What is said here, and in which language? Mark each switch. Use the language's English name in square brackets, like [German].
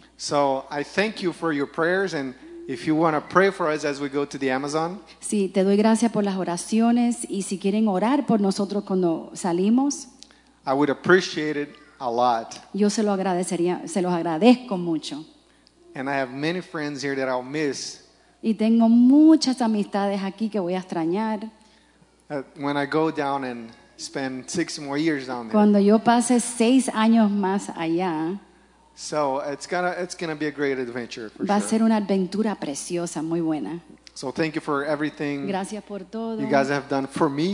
[English] So I thank you for your prayers, and if you want to pray for us as we go to the Amazon. [Spanish] Sí, te doy gracias por las oraciones, y si quieren orar por nosotros cuando salimos. [English] I would appreciate it a lot. [Spanish] Yo se lo agradecería, se los agradezco mucho. [English] And I have many friends here that I'll miss. [Spanish] Y tengo muchas amistades aquí que voy a extrañar. [English] When I go down and spend 6 more years down there. [Spanish] Cuando yo pase 6 años más allá. [English] So it's gonna be a great adventure. [Spanish] Va a ser una aventura preciosa, muy buena. [English] So thank you for everything. [Spanish] Gracias por todo. [English] You guys have done for me.